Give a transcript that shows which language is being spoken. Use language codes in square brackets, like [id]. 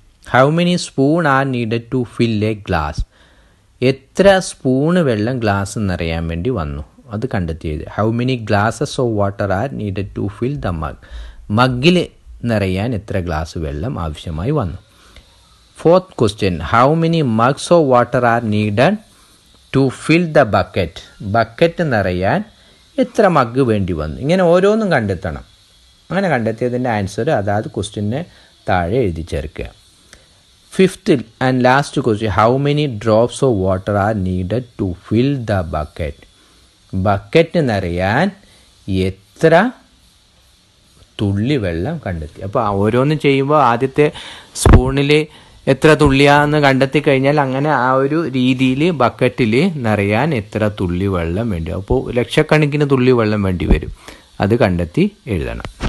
[en] How many spoon are needed to fill a glass? [ml] എത്ര spoon വെള്ളം glass നിറയാൻ വേണ്ടി വന്നു? അത് കണ്ടെത്തിയത്. [en] How many glasses of water are needed to fill the mug? [ml] മഗ്ഗിൽ നിറയാൻ എത്ര ഗ്ലാസ് വെള്ളം ആവശ്യമായി വന്നു? [en] Fourth question, how many mugs of water are needed to fill the bucket? [ml] Bucket നിറയാൻ എത്ര മഗ് വേണ്ടി വന്നു? ഇങ്ങനെ ഓരോന്നും കണ്ടെത്തണം. അങ്ങനെ കണ്ടെത്തിയതിൻ്റെ ആൻസർ അതാത് ക്വസ്റ്റ്യനെ താഴെ എഴുതി ചേർക്കുക. [en] Fifth and last question, how many drops of water are needed to fill the bucket? [ml] Bucket നിറയാൻ എത്ര തുള്ളി വെള്ളം കണ്ടെത്തി? അപ്പോൾ ഓരോന്നും ചെയ്യുമ്പോൾ ആദ്യത്തെ സ്പൂണിൽ എത്ര തുള്ളിയാന്ന് കണ്ടെത്തിക്കഴിഞ്ഞാൽ അങ്ങനെ ആ ഒരു രീതിയിൽ ബക്കറ്റിൽ നിറയാൻ എത്ര തുള്ളി വെള്ളം വേണ്ടി, അപ്പോൾ ലക്ഷക്കണക്കിന് തുള്ളി വെള്ളം വേണ്ടി വരും, അത് കണ്ടെത്തി എഴുതണം.